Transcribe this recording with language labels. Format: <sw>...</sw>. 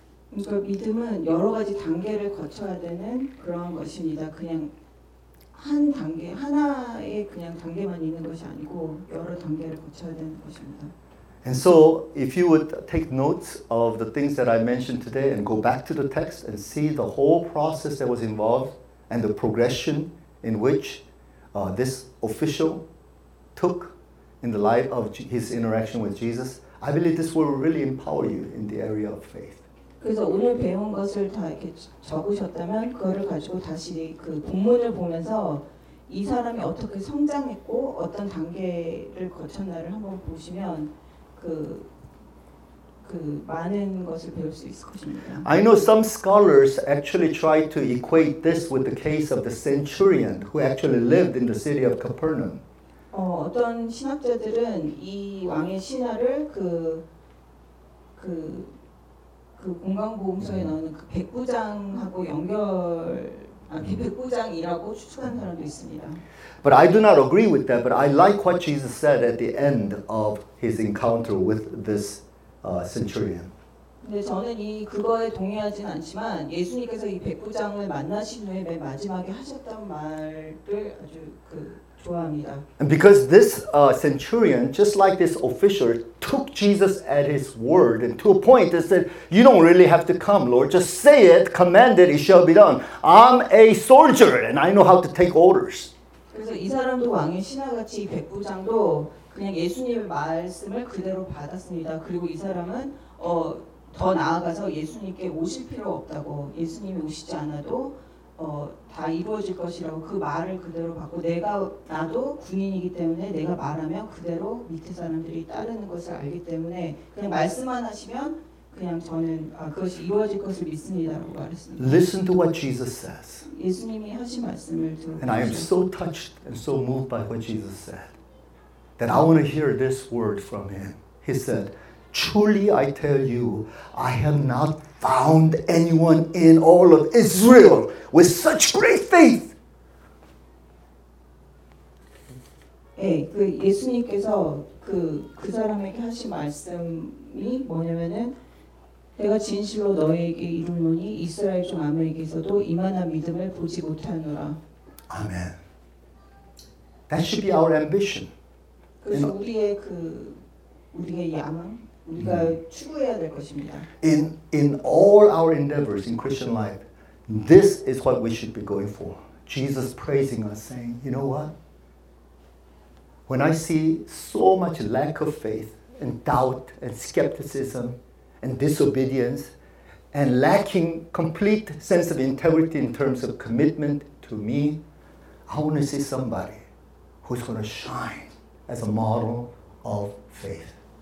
<ko>그러니까 믿음은 여러 가지 단계를 거쳐야 되는 그런 것입니다. 그냥 한 단계, 하나의 그냥 단계만 있는 것이 아니고 여러 단계를 거쳐야 되는 것입니다.</ko> <en>And so, if you would take notes of the things that I mentioned today and go back to the text and see the whole process that was involved and the progression in which this official took in the light of his interaction with Jesus, I believe this will really empower you in the area of faith.</en> <ko>그래서 오늘 배운 것을 다 이렇게 적으셨다면 그거를 가지고 다시 그 본문을 보면서 이 사람이 어떻게 성장했고 어떤 단계를 거쳤나를 한번 보시면 그 많은 것을 배울 수 있을 것입니다.</ko> <en>I know some scholars actually try to equate this with the case of the centurion who actually lived in the city of Capernaum.</en> <ko>어떤 신학자들은 이 왕의 신하를 그 공간보험서에 나오는 그 백부장하고 백부장이라고 추측한 사람도 있습니다.</ko> <en>But I do not agree with that, but I like what Jesus said at the end of his encounter with this centurion.</en> <ko>근데 저는 이 그거에 동의하진 않지만 예수님께서 이 백부장을 만나신 후에 맨 마지막에 하셨던 말을 아주 좋아합니다.</ko> <en>And because this centurion, just like this official, took Jesus at his word and to a point that said, you don't really have to come, Lord. Just say it, command it, it shall be done. I'm a soldier and I know how to take orders.</en> <ko>그래서 이 사람도 왕의 신하같이 백부장도 그냥 예수님의 말씀을 그대로 받았습니다. 그리고 이 사람은 더 나아가서 예수님께 오실 필요 없다고 예수님이 오시지 않아도 다 이루어질 것이라고 그 말을 그대로 받고 나도 군인이기 때문에 내가 말하면 그대로 밑에 사람들이 따르는 것을 알기 때문에 그냥 말씀만 하시면 그냥 저는 그것이 이루어질 것을 믿습니다라고 말했습니다.</ko> <en>Listen to what Jesus says.</en> <ko>예수님이 하신 말씀을 들어.</ko> <en>And I am so touched and so moved by what Jesus said that I want to hear this word from him. He said, "Truly I tell you, I have not found anyone in all of Israel with such great faith."</en> <ko>예, 그 예수님께서 그 사람에게 하신 말씀이 뭐냐면은 내가 진실로 너에게 이르노니 이스라엘 중 아무에게서도 이만한 믿음을 보지 못하노라.</ko> <en>Amen. That should be our ambition.</en> <ko>그래서 우리의 야망. 우리가 추구해야 될 것입니다.</ko> <en>In all our endeavors in Christian life, this is what we should be going for. Jesus praising us, saying, you know what? When I see so much lack of faith and doubt and skepticism and disobedience and lacking complete sense of integrity in terms of commitment to me, I want to see somebody who's going to shine as a model of faith.</en>